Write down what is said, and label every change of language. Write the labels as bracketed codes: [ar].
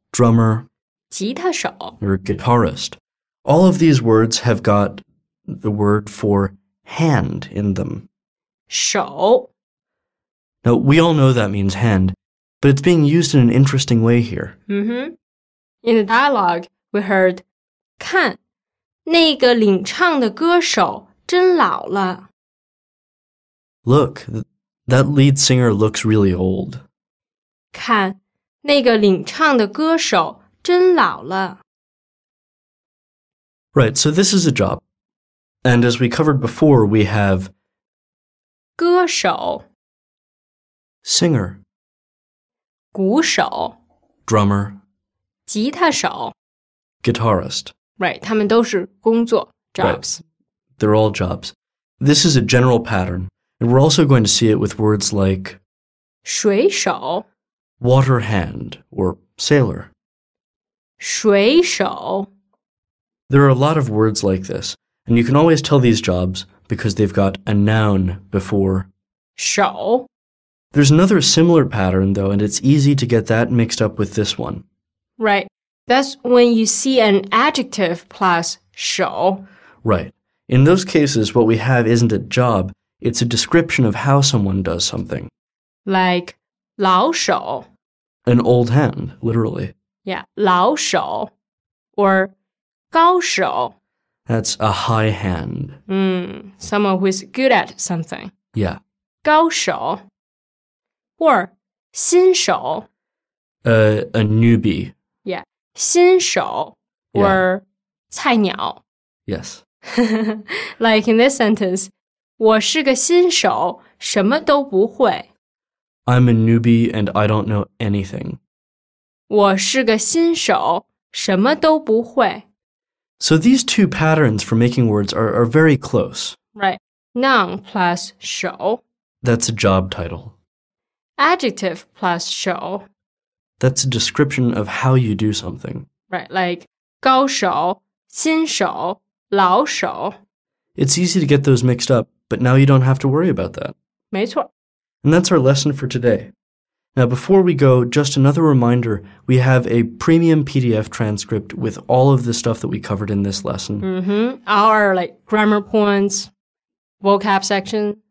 [en] Drummer [zh] 吉他手 [en] Or guitarist. All of these words have got... the word for hand in them. [zh] 手 [en] Now, we all know that means hand, but it's being used in an interesting way here. Mm-hmm. In the dialogue, we heard, [zh] 看,那个领唱的歌手真老了。 [en] Look, that lead singer looks really old. [zh] 看, 那个领唱的歌手真老了。 [en] Right, so this is a job. And as we covered before, we have [zh] 歌手 [en] Singer [zh] 鼓手 [en] Drummer [zh] 吉他手 [en] Guitarist Right, [zh] 他们都是工作 [en] jobs. Right, they're all jobs. This is a general pattern. And we're also going to see it with words like [zh] 水手 [en] Water hand, or sailor. [zh] 水手 [en] There are a lot of words like this, and you can always tell these jobs because they've got a noun before. [zh] 手 [en] There's another similar pattern, though, and it's easy to get that mixed up with this one. Right, that's when you see an adjective plus 手 Right, in those cases, what we have isn't a job, it's a description of how someone does something. Like... 老手 An old hand, literally. Yeah, 老手 or 高手 That's a high hand. Someone who is good at something. Yeah. 高手 or 新手 A newbie. Yeah, 新手 or 菜鸟 Yes. Like in this sentence, [zh] 我是个新手什么都不会 [en] I'm a newbie and I don't know anything. [zh] 我是个新手,什么都不会。 [en] So these two patterns for making words are very close. Right. Noun plus 手. That's a job title. Adjective plus 手. That's a description of how you do something. Right, like 高手,新手,老手。 It's easy to get those mixed up, but now you don't have to worry about that. [zh] 没错。 [en] And that's our lesson for today. Now, before we go, just another reminder, we have a premium PDF transcript with all of the stuff that we covered in this lesson. Mm-hmm. Our, like, grammar points, vocab section.